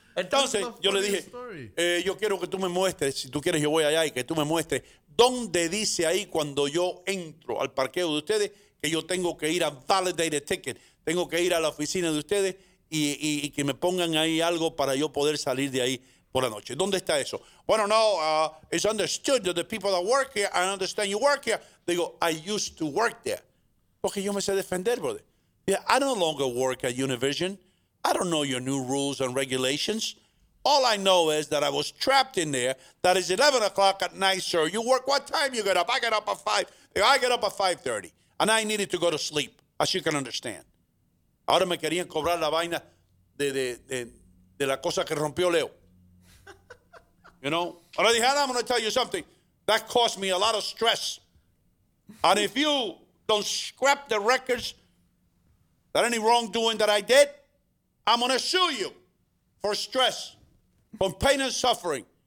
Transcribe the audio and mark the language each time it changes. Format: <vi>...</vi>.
<es>Entonces, yo le dije, yo quiero que tú me muestres, si tú quieres yo voy allá y que tú me muestres dónde dice ahí cuando yo entro al parqueo de ustedes que yo tengo que ir a validate a ticket. Tengo que ir a la oficina de ustedes y que me pongan ahí algo para yo poder salir de ahí por la noche. ¿Dónde está eso? Bueno, no,</es> <en>it's understood that the people that work here, I understand you work here. They go, I used to work there.</en> <es>Porque yo me sé defender,</es> <en>brother. Yeah, I no longer work at Univision. I don't know your new rules and regulations. All I know is that I was trapped in there. That is 11 o'clock at night, sir. You work, what time you get up? I get up at 5. I get up at 5:30. And I needed to go to sleep, as you can understand.</en> <es>Ahora me querían cobrar la vaina de la cosa que rompió Leo.</es> <en>You know?</en> <es>Ahora dije,</es> <en>I'm going to tell you something. That caused me a lot of stress. And if you don't scrap the records, that any wrongdoing that I did, I'm going to sue you for stress, for pain and suffering.</en>